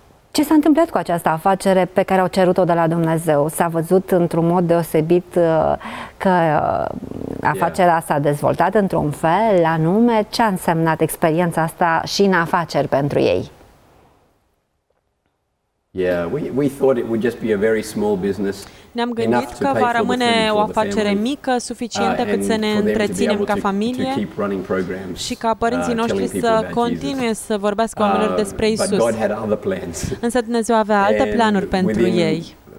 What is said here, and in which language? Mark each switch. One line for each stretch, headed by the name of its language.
Romanian: Ce s-a întâmplat cu această afacere pe care au cerut-o de la Dumnezeu? S-a văzut într-un mod deosebit că afacerea s-a dezvoltat într-un fel anume? Ce a însemnat experiența asta și în afaceri pentru ei?
English: Yeah, we thought it would just be a very small business.
Romanian: Ne-am gândit că va rămâne o afacere mică, suficientă cât să ne întreținem ca familie și ca părinții noștri să continue să vorbească oamenilor despre Isus. Însă Dumnezeu avea alte planuri pentru ei.